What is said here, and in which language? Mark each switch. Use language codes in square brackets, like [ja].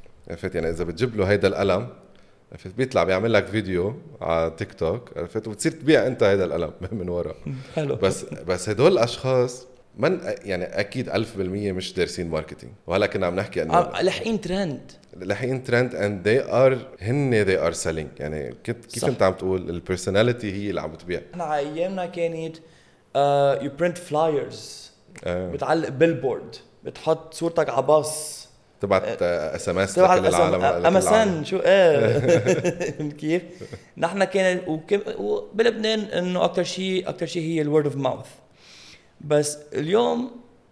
[ar] عرفت يعني اذا بتجيب له هيدا القلم عرفت بيطلع بيعمل لك فيديو على تيك توك عرفت وبتصير تبيع انت هيدا القلم من ورا. حلو. بس هدول الاشخاص من يعني اكيد 1000% مش دارسين ماركتينج، وهلا كنا عم نحكي انه لحقين ترند [en] and they are هن selling. [ar] يعني كيف انت عم تقول البيرسوناليتي هي اللي عم تبيع. احنا ايامنا كانت [en] you print flyers. [ar] بتعلق بيلبورد، بتحط صورتك على باص، تبعت SMS لكل العالم. أمسان شو ايه كيف نحن كان بلبنان انه اكتر شيء هي [en] word of mouth. [ar] بس اليوم